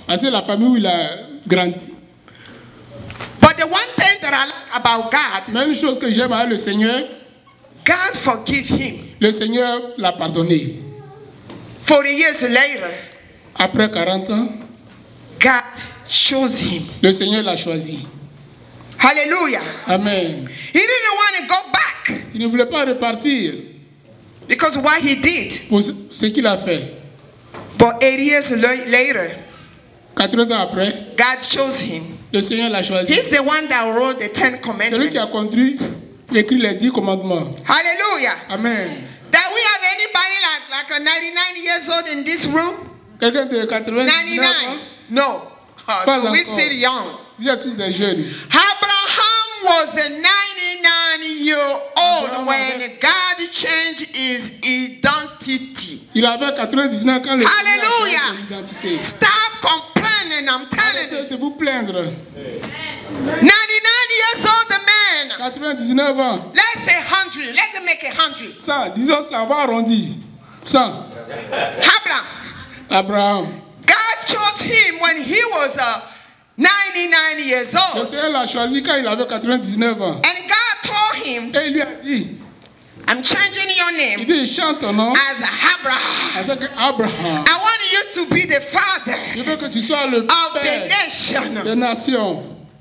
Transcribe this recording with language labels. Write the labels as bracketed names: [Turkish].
[French] Parce que la famille où il a grandi. [English] But the one thing that I like about God, [French] même chose que j'aime avec le Seigneur, [English] God forgive him. [French] Le Seigneur l'a pardonné. [English] 40 years later, [French] après 40 ans, [English] God chose him. [French] Le Seigneur l'a choisi. Hallelujah. Amen. [English] He didn't want to go back. [French] Il ne voulait pas repartir. [English] Because what he did. [French] Pour ce qu'il a fait. [English] But 80 years later, [French] 80 ans après, [English] God chose him. [French] Le Seigneur l'a choisi. [English] He's the one that wrote the Ten Commandments. [French] C'est lui qui a construit, écrit les 10 commandements. Hallelujah. Amen. [English] That we have anybody like a 99 years old in this room? [French] Quelqu'un de 99? [English] 99. No. [French] Pas [English] so we're still young. [French] Vous êtes tous des jeunes. [English] Abraham was a 99 year old Abraham when God changed his identity. [French] Il avait 99 quand le Hallelujah. Seigneur a changé son identité. [English] Stop complaining, I'm telling you. [French] De vous plaindre. [English] 99 years old man. [French] 99 ans. [English] Let's say 100. Let's make 100. [French] 100. Disons, ça va arrondi. 100. Abraham. Abraham. [English] God chose him when he was 99 years old. [French] Le Seigneur l'a choisi quand il avait 99 ans. [English] And God told him. [French] Et il lui a dit. [English] I'm changing your name. [French] Il dit, chante ton nom. [English] As Abraham. As Abraham. I want you to be the father. [French] Je veux que tu sois le [English] of [French] père [English] the nation. The nation.